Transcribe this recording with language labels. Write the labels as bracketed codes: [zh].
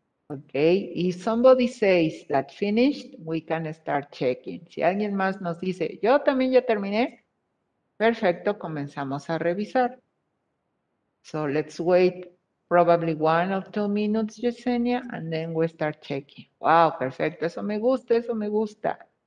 [en] Okay, if somebody says that finished, we can start checking. [es] Si alguien más nos dice, yo también ya terminé, perfecto, comenzamos a revisar. [en] So let's wait probably 1 or 2 minutes, Yesenia, and then we start checking. [es] Wow, perfecto, eso me gusta, eso me gusta.